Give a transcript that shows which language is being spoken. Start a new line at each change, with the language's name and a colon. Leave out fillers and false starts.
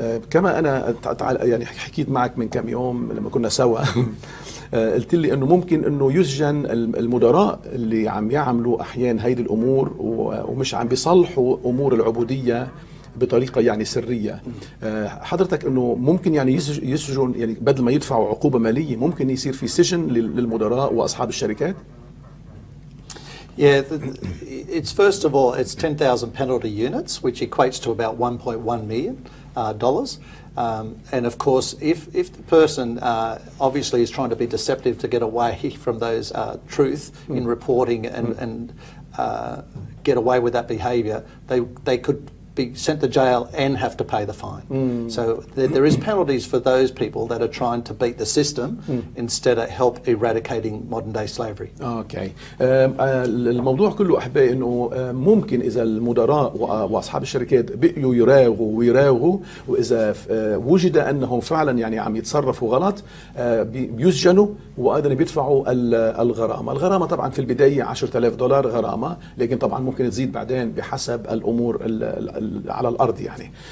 Arabic: كما أنا يعني حكيت معك من كم يوم لما كنا سوا، قلت لي أنه ممكن أنه يسجن المدراء اللي عم يعملوا أحيان هيدي الأمور ومش عم بيصلحوا أمور العبودية بطريقة يعني سرية. حضرتك أنه ممكن يعني يسجن، يعني بدل ما يدفعوا عقوبة مالية ممكن يصير في سجن للمدراء وأصحاب الشركات؟
English: Yeah, it's first of all, it's 10,000 penalty units, which equates to about $1.1 million. And of course, if the person obviously is trying to be deceptive to get away from those truth in reporting and get away with that behaviour, they could be sent to jail and have to pay the fine. So there is penalties for those people that are trying to beat the system instead of help eradicating modern day slavery. Okay.
Arabic: الموضوع كله أحبائي إنه ممكن إذا المدراء وأصحاب الشركات بقوا يراغوا ويراغوا وإذا وجد أنهم فعلا يعني عم يتصرفوا غلط بيسجنوا وأيضاً بيدفعوا الغرامة. الغرامة طبعا في البداية 10,000 دولار غرامة، لكن طبعا ممكن تزيد بعدين بحسب الأمور على الأرض يعني.